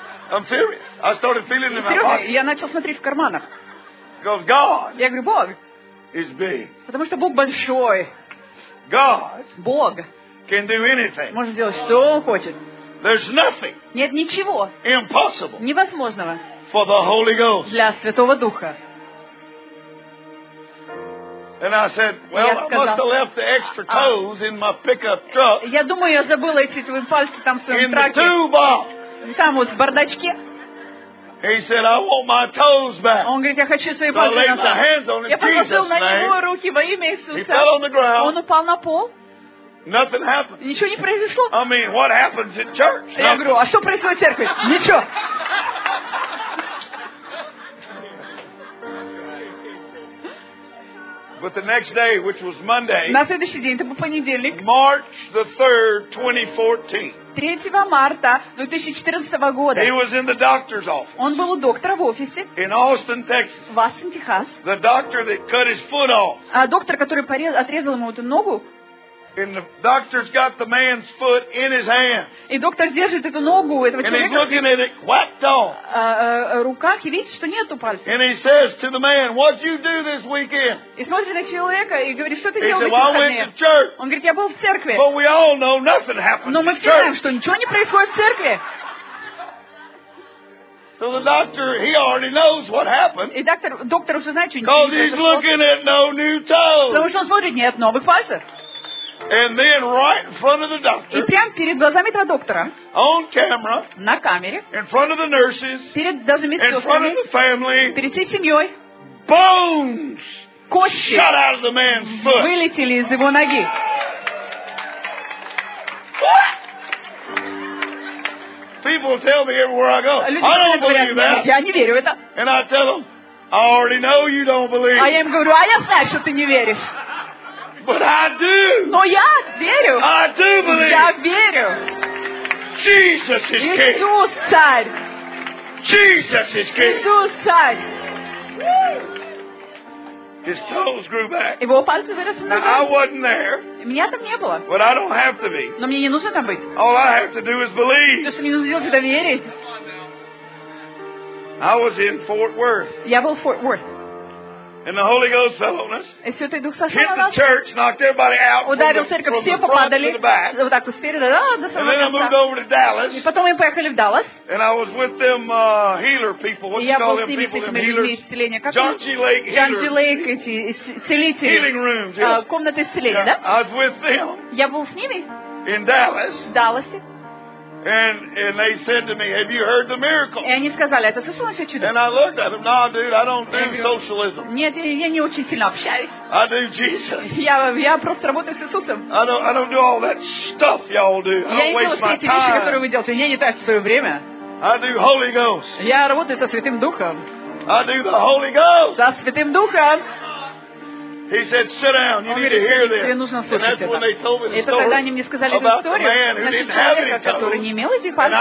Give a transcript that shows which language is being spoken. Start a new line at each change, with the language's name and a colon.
English: I'm serious. I started feeling in my pocket.
Russian: Я начал смотреть в карманах.
English: Because God.
Russian: Я говорю, Бог.
English: Is big.
Russian: Потому что Бог большой.
English: God.
Russian: Бог.
English: Can do anything.
Russian: Может сделать что он хочет.
English: There's nothing.
Russian: Нет ничего.
English: Impossible.
Russian: Невозможного.
English: For the Holy Ghost.
Russian: Для Святого Духа.
English: And I said, well, I must have left the extra toes in my pickup truck.
Russian: Я думаю, я забыла эти твои пальцы там в своем
English: in траке. In the toolbox.
Russian: Там вот в бардачке.
English: He said, I want my toes back.
Russian: Он говорит, я хочу свои
English: so
Russian: пальцы назад.
English: My hands on
Russian: я положил на
English: name.
Russian: Него руки во имя Иисуса.
English: He fell on the ground.
Russian: Он упал на пол.
English: Nothing happened.
Russian: Ничего не произошло.
English: I mean, what happens in church?
Russian: Я говорю, а что происходит в церкви? Ничего.
English: But the next day, which was Monday,
Russian: на следующий день, это был понедельник,
English: March the 3rd, 2014.
Russian: 3 марта 2014 года.
English: He was in the doctor's office.
Russian: Он был у доктора в офисе.
English: In Austin, Texas.
Russian: В Austin, Texas.
English: The doctor that cut his foot off.
Russian: А доктор, который отрезал ему эту ногу.
English: And the doctor's got the man's foot in his hand.
Russian: И доктор держит эту ногу этого
English: and
Russian: человека.
English: And he's looking at it, whacked off.
Russian: Руках и видит, что нету пальца.
English: And he says to the man, "What'd you do this weekend?"
Russian: И смотрит на человека и говорит, что ты делал эти выходные?
English: He said, "Well, I went to church."
Russian: Он говорит, я был в церкви.
English: But we all know nothing happened.
Russian: Но мы все знаем, что ничего не происходит в церкви.
English: So the doctor, he already knows what happened.
Russian: И доктор уже знает, что ничего не произошло.
English: Because he's looking at no new toes.
Russian: Потому что он смотрит, нет новых пальцев.
English: And then right in front of the doctor.
Russian: И прямо перед глазами этого доктора.
English: On camera.
Russian: На камере.
English: In front of the nurses.
Russian: Перед даже медсестрами.
English: In front of the family.
Russian: Перед всей семьей.
English: Bones.
Russian: Кости.
English: Shot out of the man's foot.
Russian: Вылетели из его ноги.
English: People tell me everywhere I go. I don't believe that.
Russian: Я не верю в это.
English: And I tell them, I already know you don't believe.
Russian: А я им говорю, а я знаю, что ты не веришь.
English: But I do.
Russian: Но я верю.
English: I do believe.
Russian: Я верю.
English: Jesus is king.
Russian: Иисус царь.
English: Jesus is king.
Russian: Иисус царь.
English: His toes grew back.
Russian: Его пальцы выросли.
English: Now I wasn't there.
Russian: Меня там не было.
English: But I don't have to be.
Russian: Но мне не нужно там быть.
English: All I have to do is believe.
Russian: То, что мне нужно делать, это верить.
English: I was in Fort Worth.
Russian: Я был в Fort Worth.
English: And the Holy Ghost fell on us.
Russian: И Святой Дух сошел на нас.
English: Hit the church, knocked everybody out.
Russian: Ударил церковь, все попадали. Вот так вот спереди, да, до самого конца.
English: And then I moved over to Dallas.
Russian: И потом мы поехали в Даллас.
English: And I was with them healer people. What you call them people? Them healers. Johnji Lake healers.
Russian: Johnji Lake эти целители.
English: Healing rooms.
Russian: Комнаты исцеления, да?
English: I was with them.
Russian: Я был с ними.
English: In Dallas.
Russian: В Далласе.
English: And they said to me, "Have you heard the miracle?"
Russian: И они сказали, это слышал еще чудо?
English: And I looked at them. No, dude, I don't do socialism.
Russian: Нет, я не очень сильно общаюсь.
English: I do Jesus.
Russian: Я просто работаю с Иисусом.
English: I don't do all that stuff y'all do.
Russian: Я не делаю все эти вещи, которые вы делаете. Я не трачу свое время.
English: I do Holy Ghost.
Russian: Я работаю со Святым Духом.
English: I do the Holy Ghost.
Russian: Со Святым Духом.
English: He said, "Sit down. You need to hear this."
Russian: Тебе нужно слушать это. Это когда они мне сказали эту историю, значит, человека, который не имел этих пальцев,